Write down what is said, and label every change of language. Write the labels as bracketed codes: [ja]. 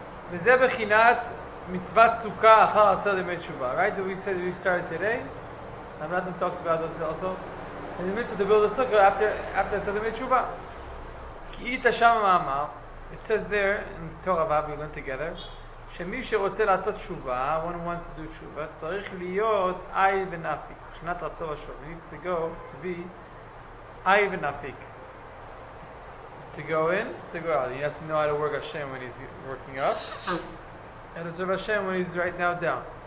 [he] וזה בחינת מצוות סוכה אחר עשר ימי תשובה, right? [en] We said we started today. I'm not going to talk about this also. And the mitzvah to build a sukkah after עשר ימי תשובה. [he] כי איתה שם המאמר, [en] it says there, in the Torah Vav, we learned together, [he] שמי שרוצה לעשות תשובה, [en] one who wants to do תשובה, [he] צריך להיות אי ונפיק, מבחינת רצון השם. [en] He needs to go to be אי ונפיק. To go in, to go out. He has to know how to work Hashem when he's working up. And to serve Hashem when he's right now down.